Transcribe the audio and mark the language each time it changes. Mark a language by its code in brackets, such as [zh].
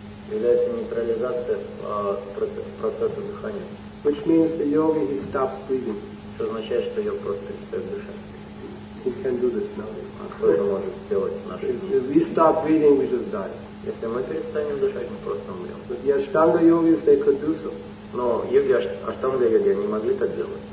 [ru] является нейтрализация процесса дыхания. [en] Which means the yogi he stops breathing. [ru] Что означает, что йог просто перестает дышать. [en] He can do this now. [ru] А кто это может сделать в наши дни? [en] If we stop breathing, we just die. [ru] Если мы перестанем дышать, мы просто умрем. [en] But the ashtanga yogis, they could do so. [ru] Но йоги, аштанга йоги, они могли так делать.